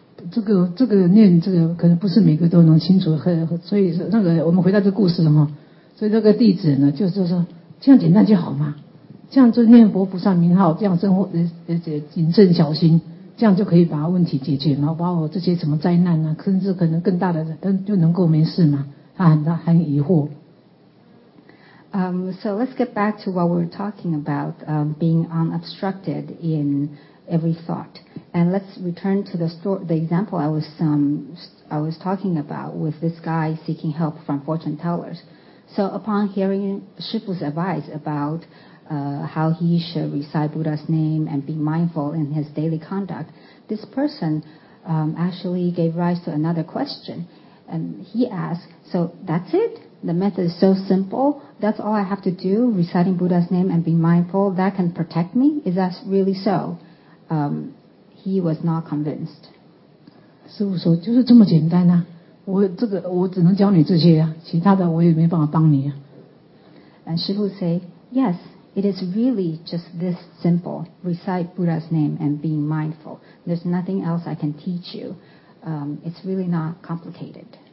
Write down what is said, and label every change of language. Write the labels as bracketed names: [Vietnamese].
[Chinese] 这个念这个可能不是每个都能清楚，所以那个我们回到这个故事哈，所以这个弟子呢就是说这样简单就好嘛，这样就念佛菩萨名号，这样生活谨慎小心，这样就可以把问题解决嘛，把我这些什么灾难啊，甚至可能更大的人就能够没事嘛，他很疑惑。 [English] So let's get back to what we're talking about, being unobstructed in every thought. And let's return to the example I was talking about with this guy seeking help from fortune tellers. So upon hearing Shifu's advice about how he should recite Buddha's name and be mindful in his daily conduct, this person actually gave rise to another question. And he asked, so that's it? The method is so simple? That's all I have to do, reciting Buddha's name and being mindful? That can protect me? Is that really so? He was not convinced. [Chinese] 师父说就是这么简单啊。我只能教你这些啊，其他的我也没办法帮你啊。 [English] And Shifu said, yes, it is really just this simple. Recite Buddha's name and being mindful. There's nothing else I can teach you. It's really not complicated.